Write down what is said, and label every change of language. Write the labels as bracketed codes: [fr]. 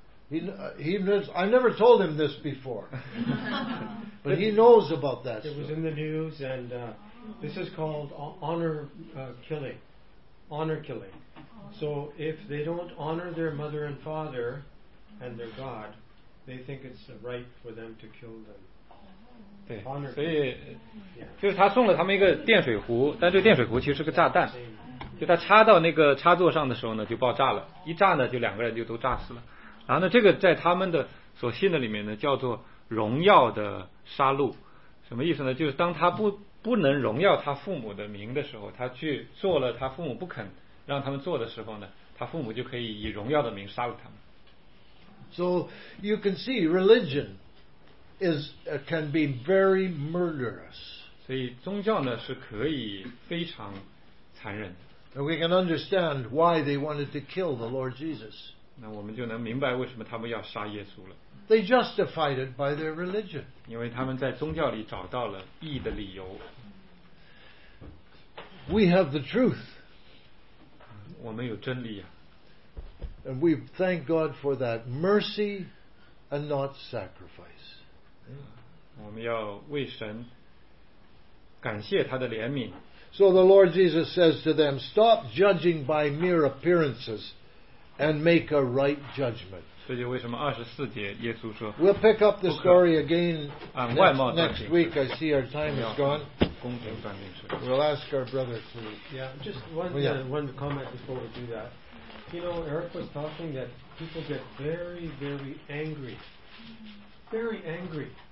[en] I never told him this before, but he knows about that. It was in the news, and this is called honor killing. Honor killing. So if they don't honor their mother and father, and their God, they think it's right for them to kill them. [zh] 对，所以就是他送了他们一个电水壶，但这电水壶其实是个炸弹。就他插到那个插座上的时候呢，就爆炸了。一炸呢，就两个人就都炸死了。然后呢，这个在他们的所信的里面呢，叫做荣耀的杀戮。什么意思呢？就是当他不能荣耀他父母的名的时候，他去做了他父母不肯让他们做的时候呢，他父母就可以以荣耀的名杀了他们。 [en] So you can see religion is can be very murderous. [zh] 所以宗教呢是可以非常残忍的。 [en] And we can understand why they wanted to kill the Lord Jesus. [zh] 那我们就能明白为什么他们要杀耶稣了。 [en] They justified it by their religion. [zh] 因为他们在宗教里找到了义的理由。 [en] We have the truth. [zh] 我们有真理啊。 [en] And we thank God for that mercy and not sacrifice. [zh] 我们要为神感谢他的怜悯。 [en] So the Lord Jesus says to them, stop judging by mere appearances and make a right judgment. [zh] 所以为什么二十四节耶稣说 [en] We'll pick up the story again next week. I see our time is gone. We'll ask our brother to... Yeah, just one comment before we do that. You know, Eric was talking that people get very, very angry. Very angry.